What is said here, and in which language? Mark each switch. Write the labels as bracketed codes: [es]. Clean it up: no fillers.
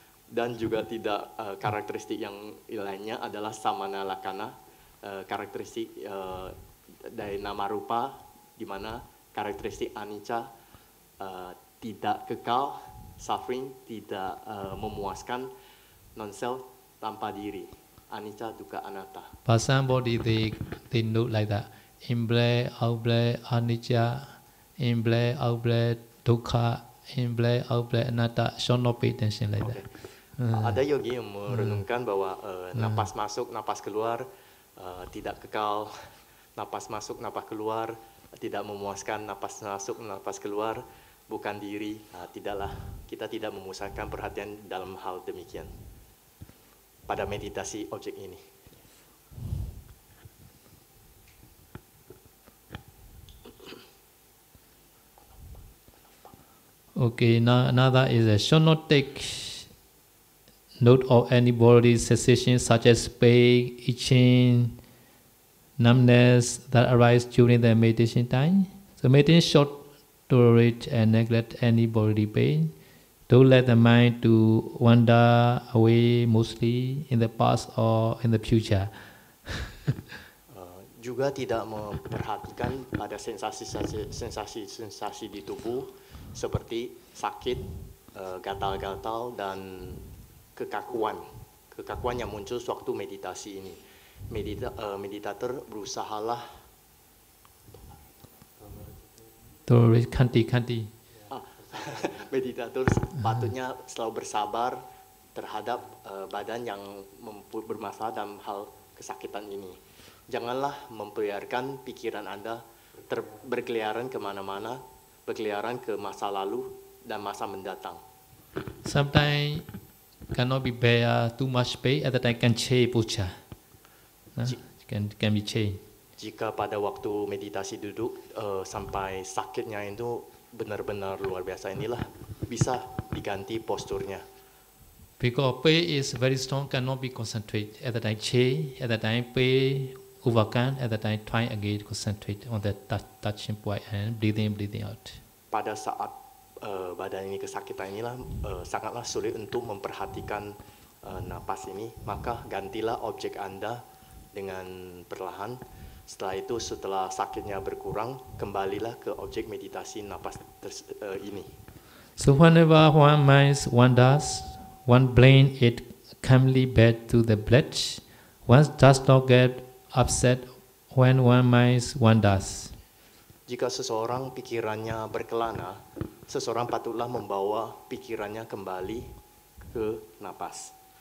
[id] Dan juga tidak karakteristik yang lainnya adalah samana lakana, karakteristik dari nama rupa, di mana karakteristik anicca tidak kekal, suffering tidak memuaskan, non-self tanpa diri. [pi] Anicca, dukkha, anatta. [en] But some body they look like that. In-breath, out-breath, anicca. In-breath, out-breath, dukkha. In-breath, out-breath, anatta. Should not pay attention like that. [id] Ada yogi yang merenungkan bahwa napas masuk, napas keluar tidak kekal. Napas masuk, napas keluar tidak memuaskan. Napas masuk, napas keluar bukan diri. Tidaklah, kita tidak memusatkan perhatian dalam hal demikian pada meditasi objek ini. [en] Okay, now another is a should not take note of any bodily sensation such as pain, itching, numbness that arise during the meditation time. So meditation should tolerate and neglect any bodily pain. Don't let the mind to wander away mostly in the past or in the future. [id] juga tidak memperhatikan pada sensasi-sensasi di tubuh seperti sakit, gatal-gatal dan kekakuan yang muncul sewaktu meditasi ini. Meditator berusahalah [pi] kanti-kanti. [id] Meditator patutnya selalu bersabar terhadap badan yang bermasalah dalam hal kesakitan ini. Janganlah membiarkan pikiran Anda berkeliaran kemana-mana, berkeliaran ke masa lalu dan masa mendatang. [en] Sometimes cannot be bear too much pain at the time can change pucha. Can be change. [id] Jika pada waktu meditasi duduk sampai sakitnya itu benar-benar luar biasa, inilah bisa diganti posturnya. [en] Because pain is very strong, cannot be concentrate at the time change, at the time pain overcome, at the time try again concentrate on the touching point and breathing out. [id] Pada saat badan ini kesakitan inilah sangatlah sulit untuk memperhatikan napas ini, maka gantilah objek Anda dengan perlahan. Setelah itu, setelah sakitnya berkurang, kembalilah ke objek meditasi napas ini. [en] So whenever one minds wanders, one brain it calmly back to the breath, one does not get upset when one minds wanders. [id] Jika seseorang pikirannya berkelana, seseorang patutlah membawa pikirannya kembali ke napas.